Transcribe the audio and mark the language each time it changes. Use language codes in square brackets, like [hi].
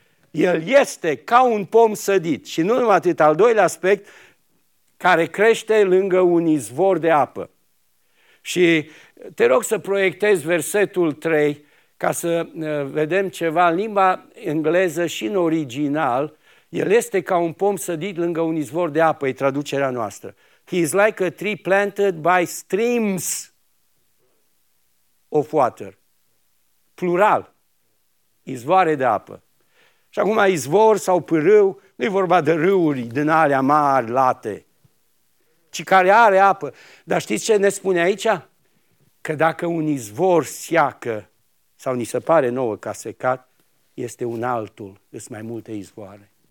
[ro] El este ca un pom sădit. Și nu numai atât, al doilea aspect, care crește lângă un izvor de apă. Și te rog să proiectezi versetul 3, ca să vedem ceva în limba engleză și în original. El este ca un pom sădit lângă un izvor de apă, e traducerea noastră. [en] He is like a tree planted by streams of water. [ro] Plural. Izvoare de apă. Și acum izvor sau pârâu, nu e vorba de râuri din alea mari, late, ci care are apă. Dar știți ce ne spune aici? Că dacă un izvor seacă, sau ni se pare nouă că a secat, este un altul, sunt mai multe izvoare.